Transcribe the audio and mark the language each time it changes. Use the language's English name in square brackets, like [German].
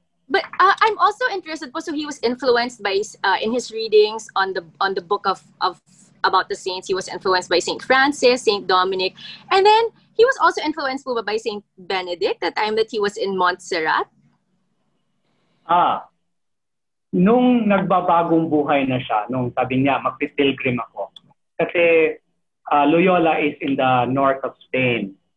[English] But I'm also interested po, so he was influenced by, in his readings on the book of about the saints, he was influenced by St. Francis, St. Dominic, and then he was also influenced po ba by St. Benedict the time that he was in Montserrat? [Filipino] Nung nagbabagong buhay na siya, nung sabi niya, magpipilgrim ako. [English] Kasi Loyola is in the north of Spain.